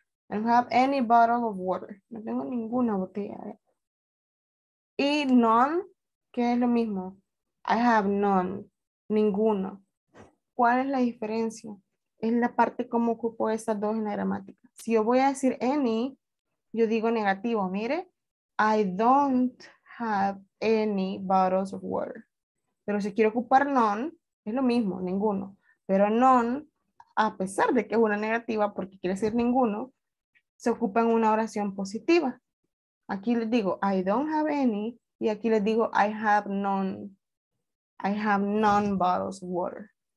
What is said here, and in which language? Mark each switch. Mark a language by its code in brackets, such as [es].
[en] I don't have any bottle of water. [es] No tengo ninguna botella. Y none, que es lo mismo. [en] I have none. [es] Ninguno. ¿Cuál es la diferencia? Es la parte como ocupo estas dos en la gramática. Si yo voy a decir any, yo digo negativo. [en] Mire, I don't have any bottles of water. [es] Pero si quiero ocupar none, es lo mismo, ninguno. Pero none, a pesar de que es una negativa, porque quiere decir ninguno, se ocupa en una oración positiva. Aquí les digo, [en] I don't have any, [es] y aquí les digo, [en] I have none bottles of water.